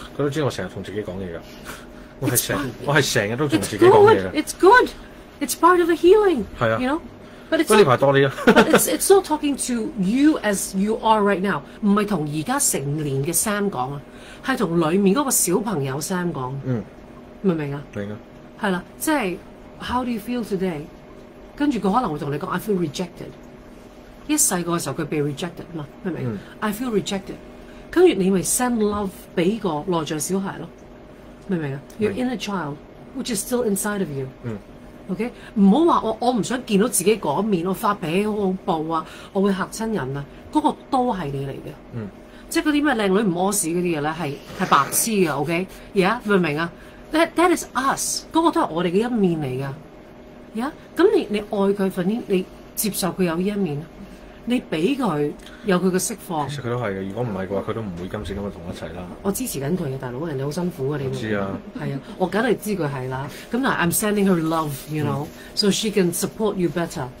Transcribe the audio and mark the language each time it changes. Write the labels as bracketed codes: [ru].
[yue] 佢都知道我成日同自己講嘢噶，我係成日都同自己講嘢嘅。 [en] It's good. It's part of the healing. [yue] 係啊 [en] ，you know. But it's [yue] 呢排多啲啊。 [en] it's not talking to you as you are right now. [yue] 唔係同而家成年嘅 Sam 講啊，係同裡面嗰個小朋友 Sam 講。嗯，明唔明啊？明啊。係啦，即係 [en] How do you feel today？ [yue] 跟住佢可能會同你講 ， [en] I feel rejected。 [yue] 一細個嘅時候佢被 rejected 嘛，明唔明、？ [en] I feel rejected， [yue] 跟住你咪 [en] send love [yue] 俾個內在小孩咯，明唔明啊 ？ [en] Your inner child which is still inside of you，嗯 [yue] ，OK， 唔好話我唔想見到自己嗰面，我發脾氣好恐怖啊，我會嚇親人啊，嗰、那個都係你嚟嘅，嗯，即係嗰啲咩靚女唔屙屎嗰啲嘢咧，係白痴嘅 ，OK， 而家明唔明啊 ？ [en] That is us， [yue] 嗰個都係我哋嘅一面嚟噶，而家咁你愛佢份啲，你接受佢有呢一面。你俾佢有佢嘅釋放，其實佢都係嘅。如果唔係嘅話，佢都唔會今時今日同我一齊啦。我支持緊佢嘅，大佬，人哋好辛苦嘅，你知啊？係啊，我梗係知佢係啦。咁但係 [en] I'm sending her love， you know，、嗯、so she can support you better。